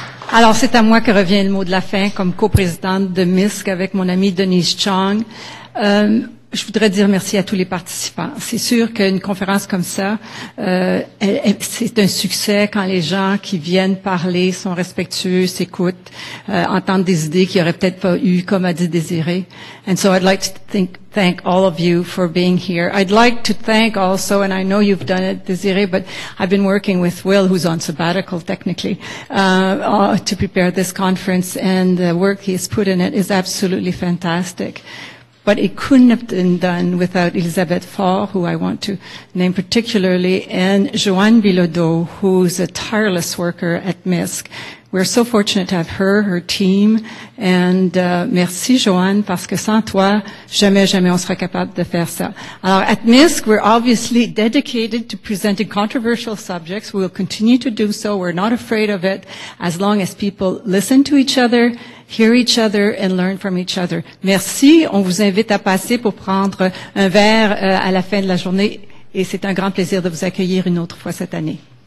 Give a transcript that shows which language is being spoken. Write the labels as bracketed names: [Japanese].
[French] Alors, c'est à moi que revient le mot de la fin comme coprésidente de MISC avec mon amie Denise Chong. Je voudrais dire merci à tous les participants. C'est sûr qu'une conférence comme ça, c'est un succès quand les gens qui viennent parler sont respectueux, s'écoutent, entendent des idées qu'ils n'auraient peut-être pas eues, comme a dit Désirée. [English] And so I'd like to thank all of you for being here. I'd like to thank also, and I know you've done it, Désirée, but I've been working with Will, who's on sabbatical technically, to prepare this conference, and the work he's put in it is absolutely fantastic. But it couldn't have been done without Elisabeth Faure, who I want to name particularly, and Joanne Bilodeau, who's a tireless worker at MISC. We're so fortunate to have her, her team, and [French] merci Joanne, parce que sans toi, jamais, jamais on serait capable de faire ça. [English] Alors, at MISC, we're obviously dedicated to presenting controversial subjects. We'll continue to do so. We're not afraid of it, as long as people listen to each other, hear each other, and learn from each other. [French] Merci, on vous invite à passer pour prendre un verre à la fin de la journée, et c'est un grand plaisir de vous accueillir une autre fois cette année.